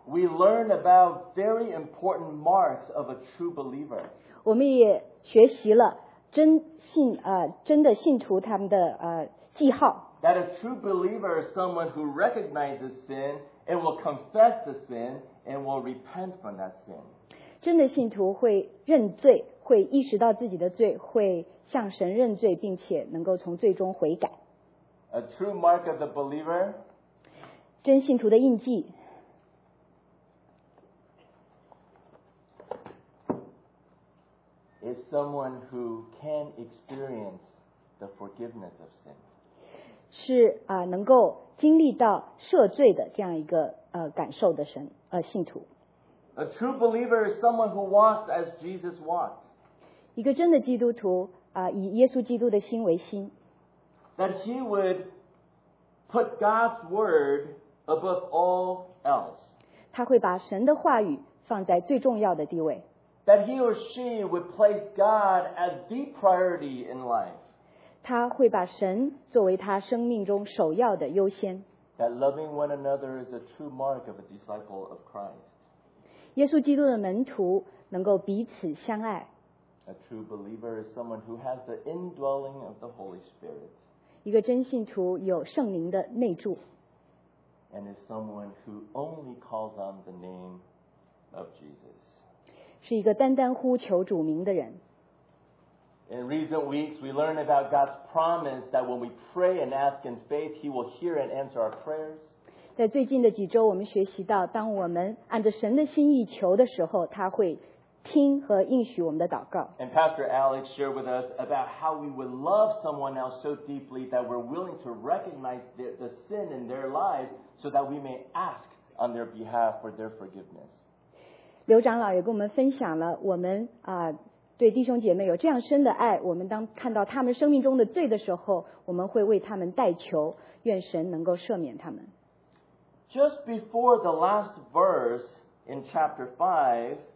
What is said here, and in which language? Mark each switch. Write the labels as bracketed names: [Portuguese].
[English] We learn about very important marks of a true believer. [Chinese] 我们也学习了真的信徒他们的记号。 [English] That a true believer is someone who recognizes sin and will confess the sin and will repent from that sin. [Chinese] 真的信徒会认罪, 会意识到自己的罪, 会向神认罪, 并且能够从罪中悔改。 [English] A true mark of the believer. [Chinese] 真信徒的印记, [English] is someone who can experience the forgiveness of sin. [Chinese] 是, 能够经历到赦罪的这样一个, 感受的神, 信徒。 [English] A true believer is someone who walks as Jesus walked. [Chinese] 一个真的基督徒, 以耶稣基督的心为心。 [English] That he would put God's word above all else. [Chinese] 他会把神的话语放在最重要的地位。 [English] That he or she would place God as the priority in life. [Chinese] 他会把神作为他生命中首要的优先。 [English] That loving one another is a true mark of a disciple of Christ. [Chinese] 耶稣基督的门徒能够彼此相爱。 [English] A true believer is someone who has the indwelling of the Holy Spirit. [Chinese] 一个真信徒有圣灵的内住。 [English] And is someone who only calls on the name of Jesus. [Chinese] 是一个单单呼求主名的人。 [English] In recent weeks, we learned about God's promise that when we pray and ask in faith, He will hear and answer our prayers. [Chinese] 在最近的几周，我们学习到，当我们按着神的心意求的时候，他会听和应许我们的祷告。 [English] And Pastor Alex shared with us about how we would love someone else so deeply that we're willing to recognize the sin in their lives so that we may ask on their behalf for their forgiveness. [Chinese] 刘长老也跟我们分享了我们对弟兄姐妹有这样深的爱，我们当看到他们生命中的罪的时候，我们会为他们代求，愿神能够赦免他们。 [English] Just before the last verse in chapter 5,